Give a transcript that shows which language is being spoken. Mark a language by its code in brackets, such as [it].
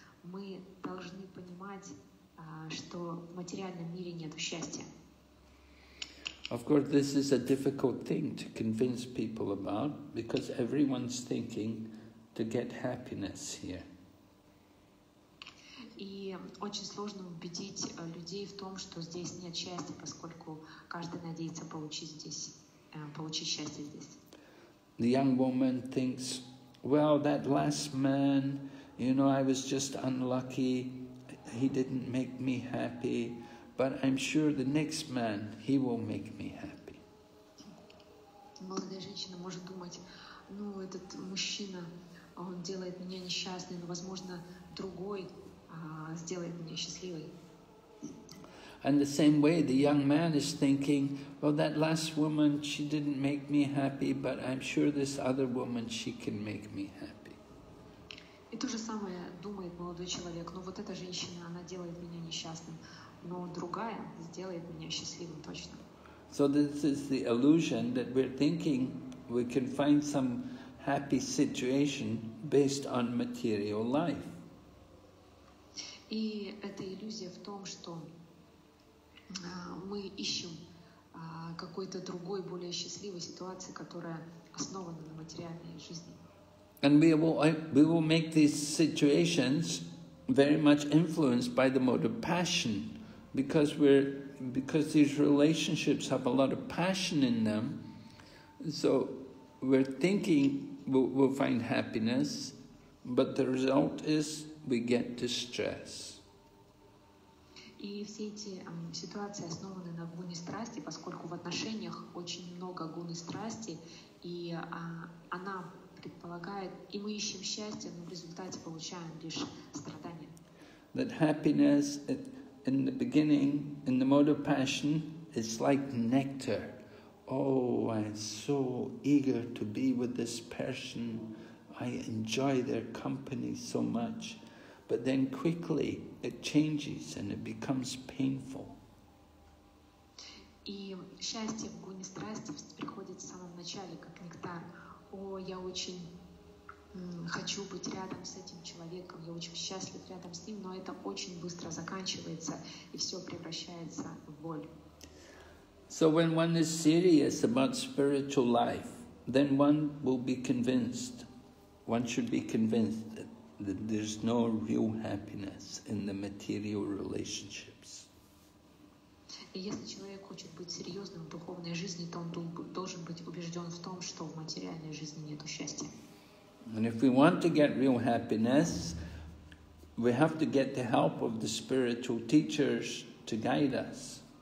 [ru] Мы должны понимать, что в материальном мире нет счастья. [en] Of course, this is a difficult thing to convince people about, because everyone's thinking to get happiness here. [ru] И очень сложно убедить людей в том, что здесь нет счастья, поскольку каждый надеется получить счастье здесь. [en] The young woman thinks, well, that last man, you know, I was just unlucky, he didn't make me happy, but I'm sure the next man, he will make me happy. [ru] Молодая женщина может думать, ну, этот мужчина, он делает меня несчастной, но, возможно, другой сделает меня счастливой. [en] And the same way, the young man is thinking, well, that last woman, she didn't make me happy, but I'm sure this other woman, she can make me happy. [ru] И то же самое думает молодой человек, но вот эта женщина, она делает меня несчастным, но другая сделает меня счастливым точно. [en] So this is the illusion that we're thinking we can find some happy situation based on material life. [ru] И эта иллюзия в том, что мы ищем какой-то другой, более счастливой ситуации, которая основана на материальной жизни. [en] And we will make these situations very much influenced by the mode of passion, because these relationships have a lot of passion in them. So we're thinking we'll find happiness, but the result is we get distress. [ru] И все эти ситуации основаны на гуне страсти, поскольку в отношениях очень много гуны страсти, и она предполагает, и мы ищем счастье, но в результате получаем лишь страдания. [en] That happiness in the beginning, in the mode of passion, is like nectar. Oh, I'm so eager to be with this person. I enjoy their company so much. But then quickly it changes and it becomes painful. [ru] И счастье в гуне страсти приходит в самом начале, как нектар. О, я очень хочу быть рядом с этим человеком, я очень счастлив рядом с ним, но это очень быстро заканчивается, и все превращается в боль. [en] So when one is serious about spiritual life, then one will be convinced, one should be convinced that there's no real happiness in the material relationships. [ru] Если человек хочет быть серьезным в духовной жизни, то он должен быть убежден в том, что в материальной жизни нет счастья. [en] And if we want to get real happiness, we have to get the help of the spiritual teachers to guide us.